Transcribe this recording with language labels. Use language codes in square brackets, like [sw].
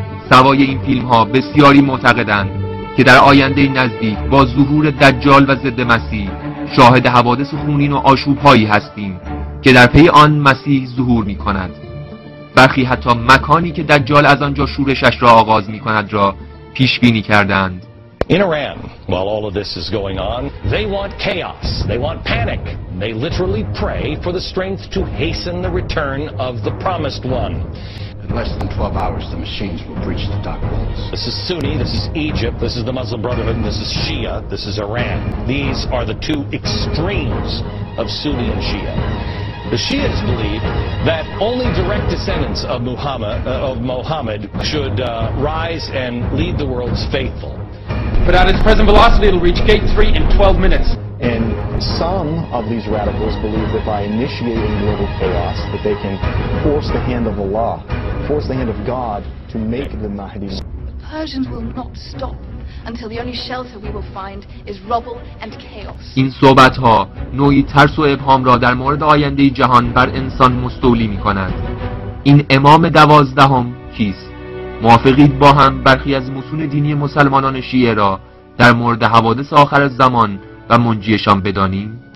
[fa] سوای این فیلم ها بسیاری معتقدند که در آینده نزدیک با ظهور دجال و ضد مسیح شاهد حوادث خونین و آشوب هایی هستیم که در پی آن مسیح ظهور می کند. برخی حتی مکانی که دجال از آنجا شورشش را آغاز می کند را پیش بینی کردند. [en] In Iran, while all of this is going on, they want chaos, they want panic. They literally pray for the strength to hasten the return of the promised one. In less than 12 hours, the machines will breach the dock walls. This is Sunni, this is Egypt, this is the Muslim Brotherhood, and this is Shia, this is Iran. These are the two extremes of Sunni and Shia. The Shias believe that only direct descendants of Muhammad should rise and lead the world's faithful. But at its present velocity, it'll reach gate 3 in 12 minutes. And some of these radicals believe that by initiating global chaos, that they can force the hand of Allah, force the hand of God to make the Mahdi. The Persians will not stop until the only shelter we will find is rubble and chaos. [fa] این صحبت‌ها نوعی ترس و ابهام را در مورد آینده جهان بر انسان مستولی می‌کند. این امام دوازدهم کیست؟ موافقید با هم برخی از موسیقی متون دینی مسلمانان شیعه را در مورد حوادث آخر زمان و منجیشان بدانیم؟